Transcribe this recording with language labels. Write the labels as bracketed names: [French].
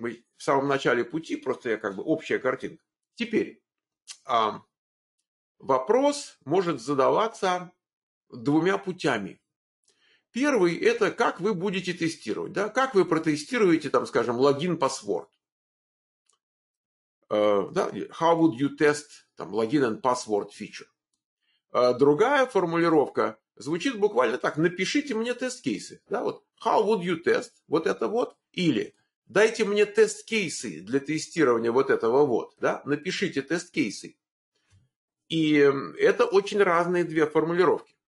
[Russian] Мы в самом начале пути, просто я как бы общая картинка. Теперь вопрос может задаваться двумя путями. Первый – это как вы будете тестировать. Да? Как вы протестируете, там, скажем, логин password? Да? [English] How would you test [Russian] там, [English] login and password feature? [Russian] Другая формулировка – звучит буквально так. Напишите мне тест-кейсы. Да, вот. [English] How would you test? [Russian] Вот это вот. Или дайте мне тест-кейсы для тестирования вот этого вот. Да? Напишите тест-кейсы. И это очень разные две формулировки.